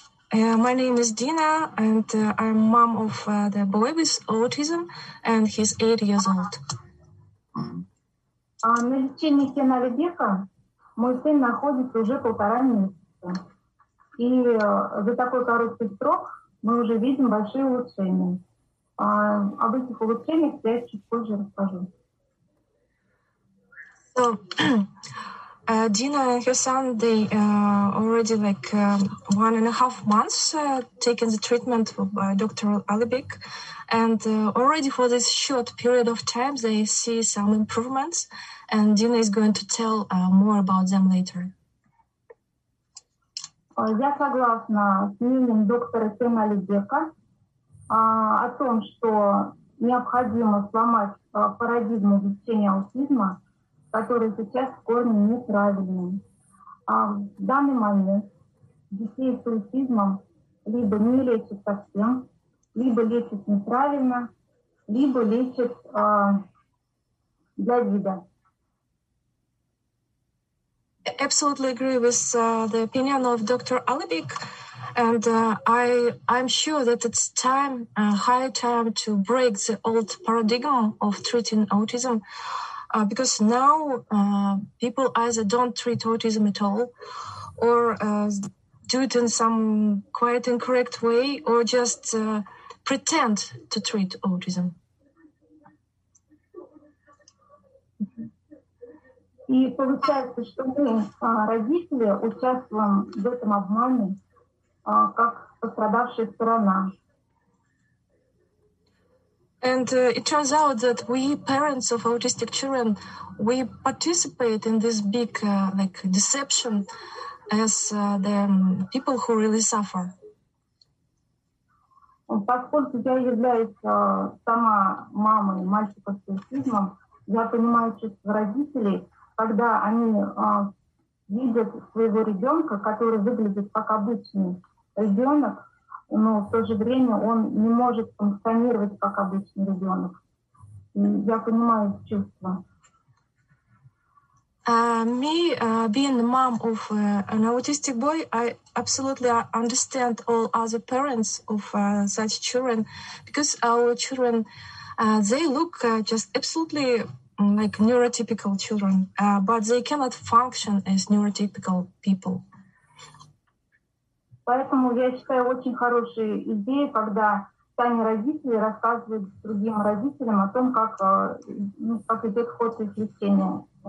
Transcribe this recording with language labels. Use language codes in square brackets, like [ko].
[en] My name is Dina, and I'm mom of the boy with autism, and he's 8 years old. [ru] На лечении Алибека мой сын находится уже 1.5 месяца. И за такой короткий срок мы уже видим большие улучшения. Об этих улучшениях я чуть позже расскажу. [en] So, Dina and her son, they already like 1.5 months taking the treatment by Dr. Alibek. And already for this short period of time, they see some improvements. And Dina is going to tell more about them later. [ru] Я согласна с мнением доктора Алибека о том, что необходимо сломать парадигму лечения аутизма, которая сейчас в корне неправильна. В данный момент детей с аутизмом либо не лечат совсем, либо лечат неправильно, либо лечат для вида. [en] Absolutely agree with the opinion of Dr. Alibek, and I'm sure that it's time, high time to break the old paradigm of treating autism, because now people either don't treat autism at all, or do it in some quite incorrect way, or just pretend to treat autism. [ru] И получается, что мы, родители, участвуем в этом обмане, как пострадавшая сторона. [en] And it turns out that we parents of autistic children, we participate in this big like deception, as the people who really suffer. [ru] Поскольку я являюсь сама мамой мальчика с аутизмом, я понимаю чувства родителей, когда они видят своего ребенка, который выглядит как обычный ребенок, но в то же время он не может функционировать как обычный ребенок. И я понимаю чувства. [en] Me being the mom of an autistic boy, I absolutely understand all other parents of such children, because our children, they look just absolutely like neurotypical children, but they cannot function as neurotypical people. [ru] Поэтому я считаю очень хорошей идеей, когда сами родители рассказывают другим родителям о том, как как идет ход их лечения.